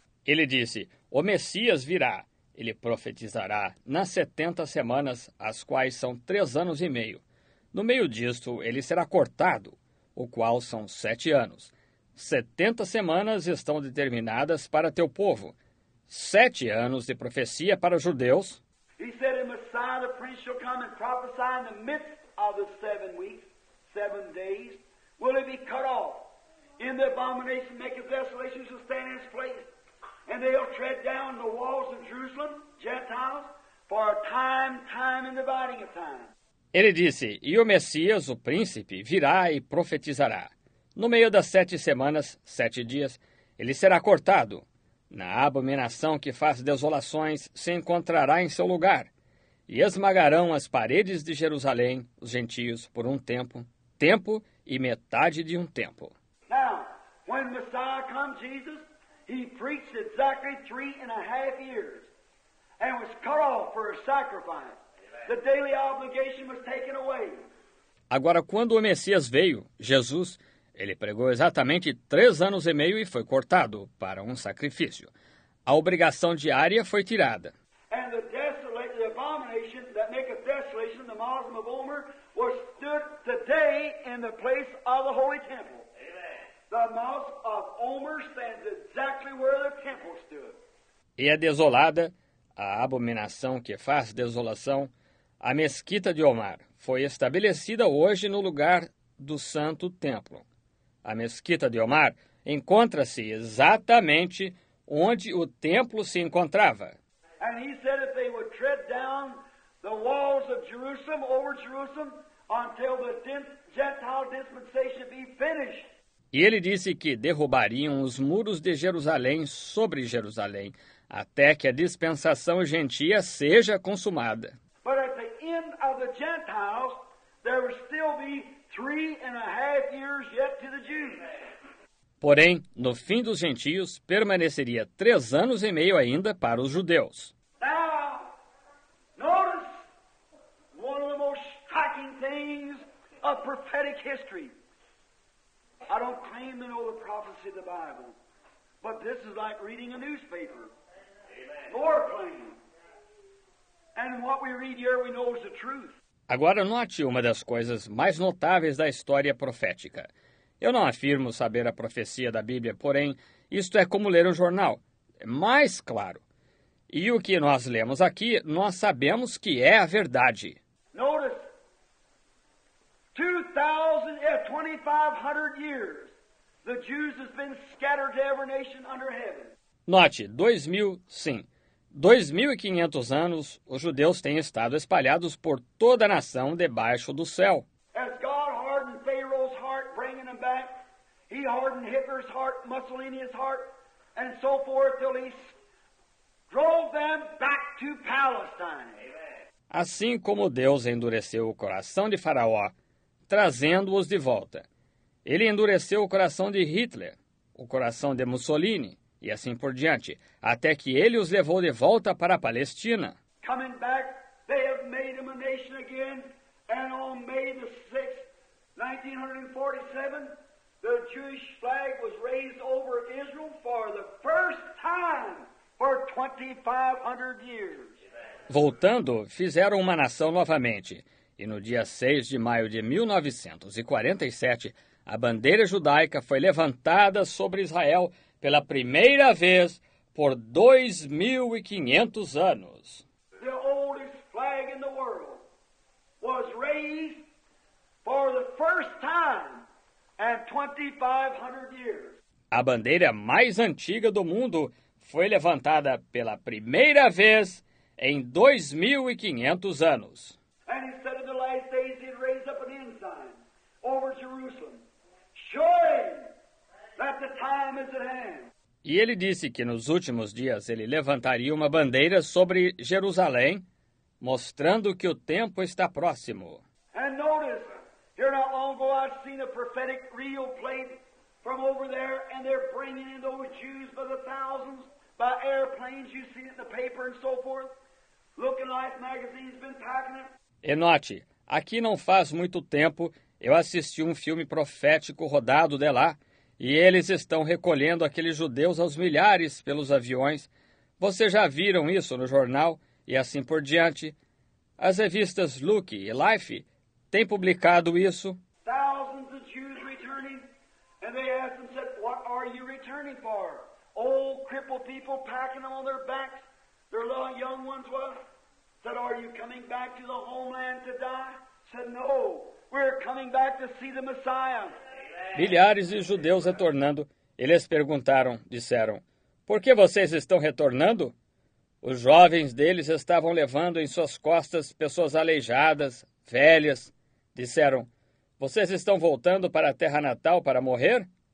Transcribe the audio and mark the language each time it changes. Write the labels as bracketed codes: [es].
[pt] Ele disse, o Messias virá. Ele profetizará nas 70 semanas, as quais são 3 anos e meio. No meio disto, ele será cortado, o qual são 7 anos. 70 semanas estão determinadas para teu povo. 7 anos de profecia para judeus. [en] He said, the Messiah, the prince, shall come and prophesy in the midst of the 7 weeks, 7 days. Will he be cut off? In the abomination, make his desolation, shall stand in his place. And they'll tread down the walls of Jerusalem, Gentiles, for a time, time, and dividing of time. [pt] Ele disse, e o Messias, o príncipe, virá e profetizará. No meio das 7 semanas, 7 dias, ele será cortado. Na abominação que faz desolações, se encontrará em seu lugar. E esmagarão as paredes de Jerusalém, os gentios, por um tempo, tempo e metade de um tempo. [en] Now, when Messiah comes, Jesus, he preached exactly 3.5 years and was cut off for a sacrifice. The daily obligation was taken away. [pt] Agora, quando o Messias veio, Jesus, ele pregou exatamente 3 anos e meio e foi cortado para um sacrifício. A obrigação diária foi tirada. [en] And the abomination that maketh desolation, the Mosm of Omer, was stood today in the place of the holy temple. Amen. The Mosm of Omer stands exactly where the temple stood. [pt] E é desolada a abominação que faz desolação. A mesquita de Omar foi estabelecida hoje no lugar do Santo Templo. A mesquita de Omar encontra-se exatamente onde o templo se encontrava. [en] And he said if they would tread down the walls of Jerusalem, over Jerusalem, until the Gentile dispensation be finished. [pt] E ele disse que derrubariam os muros de Jerusalém sobre Jerusalém, até que a dispensação gentia seja consumada. [en] But at the end of the Gentiles, there will still be 3.5 years yet to the Jews. [pt] Porém, no fim dos gentios, permaneceria 3 anos e meio ainda para os judeus. [en] Now, notice one of the most striking things of prophetic history. I don't claim to know the prophecy of the Bible, but this is like reading a newspaper. Amen. More plain. And what we read here, we know is the truth. [pt] Agora note uma das coisas mais notáveis da história profética. Eu não afirmo saber a profecia da Bíblia, porém, isto é como ler um jornal. É mais claro. E o que nós lemos aqui, nós sabemos que é a verdade. [en] Notice, 2,500 years, the Jews have been scattered to every nation under heaven. [pt] Note, 2,000, sim. 2.500 anos, os judeus têm estado espalhados por toda a nação debaixo do céu. [en] As God hardened Pharaoh's heart, bringing them back, he hardened Hitler's heart, Mussolini's heart, and so forth, till he drove them back to Palestine. Amen. [pt] Assim como Deus endureceu o coração de Faraó, trazendo-os de volta, ele endureceu o coração de Hitler, o coração de Mussolini, e assim por diante, até que ele os levou de volta para a Palestina. [en] Coming back, they have made them a nation again, and on May the 6th, 1947, the Jewish flag was raised over Israel for the first time for 2,500 years. [pt] Voltando, fizeram uma nação novamente. E no dia 6 de maio de 1947, a bandeira judaica foi levantada sobre Israel pela primeira vez por 2.500 anos. [en] The oldest flag in the world was raised for the first time in 2,500 years. [pt] A bandeira mais antiga do mundo foi levantada pela primeira vez em 2.500 anos. [en] And he said in the last days he'd raise up an ensign over Jerusalem, showing that the time is at hand. [pt] E ele disse que nos últimos dias ele levantaria uma bandeira sobre Jerusalém, mostrando que o tempo está próximo. [en] And notice, here not long ago I've seen a prophetic reel played from over there, and they're bringing in those Jews by the thousands, by airplanes, you see it in the paper and so forth. Looking like magazines been packing it. [pt] E note, aqui não faz muito tempo eu assisti um filme profético rodado de lá, e eles estão recolhendo aqueles judeus aos milhares pelos aviões. Vocês já viram isso no jornal e assim por diante? As revistas Look e Life têm publicado isso. [en] Thousands of Jews returning, and they asked and said, what are you returning for? Old crippled people packing them on their backs, their little young ones was. Said, are you coming back to the homeland to die? Said, no, we're coming back to see the Messiah. [pt] Milhares de judeus retornando, eles perguntaram, disseram, por que vocês estão retornando? Os jovens deles estavam levando em suas costas pessoas aleijadas, velhas. Disseram, vocês estão voltando para a terra natal para morrer?